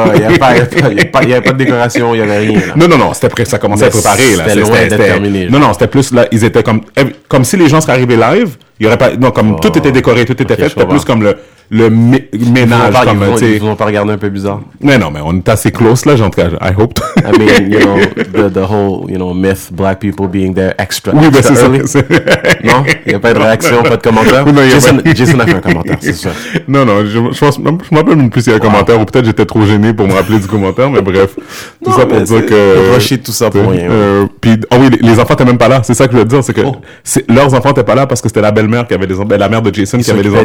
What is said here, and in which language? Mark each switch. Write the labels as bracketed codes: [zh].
[fr] Il n'y avait pas de décoration, il n'y avait rien. Là. Non, c'était prêt, ça commençait à préparer. C'était loin d'être terminé. Non, c'était plus là, ils étaient comme... Comme si les gens seraient arrivés live, il y aurait pas, non, comme tout était décoré, tout était fait, c'était plus comme le ménage, ils comme, tu sais. Ils vont pas regarder un peu bizarre. Mais non, mais on est assez close, là, j'en cas, [en] I hope. I mean, you know, the whole, you know, myth, black people being there extra. [fr] Oui, ben, c'est ça. Non? Il y a pas de réaction, pas de commentaire? Non, Jason a fait un commentaire, c'est ça. Non, non, je pense, même, je me rappelle même plus s'il y a un commentaire, ou peut-être j'étais trop gêné pour me rappeler du commentaire, mais bref. Tout non, ça pour dire que. Rusher tout ça pour rien. Oui, les enfants étaient même pas là. C'est ça que je veux dire, c'est que leurs enfants étaient pas là parce que c'était la belle-mère qui avait la mère de Jason qui avait les enfants.